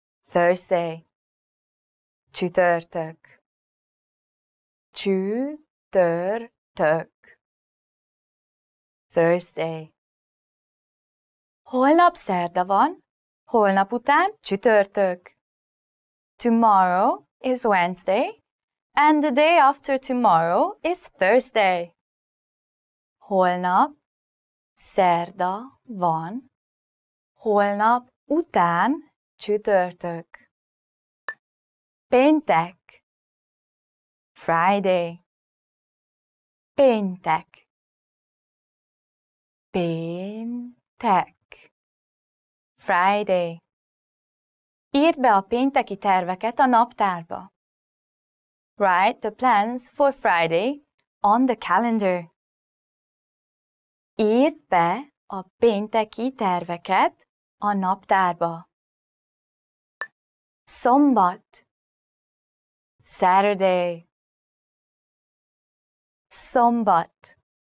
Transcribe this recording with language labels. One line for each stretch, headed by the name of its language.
English: Thursday.
Hungarian: Csütörtök. Csütörtök.
English: Thursday.
Hungarian: Holnap szerda van, holnap után csütörtök.
English: Tomorrow is Wednesday, and the day after tomorrow is Thursday.
Hungarian: Holnap szerda van, holnap után csütörtök. Péntek.
English: Friday.
Hungarian: Péntek. Péntek.
English: Friday.
Hungarian: Írd be a pénteki terveket a naptárba.
English: Write the plans for Friday on the calendar.
Hungarian: Írd be a pénteki terveket a naptárba. Szombat.
English: Saturday.
Hungarian: Szombat.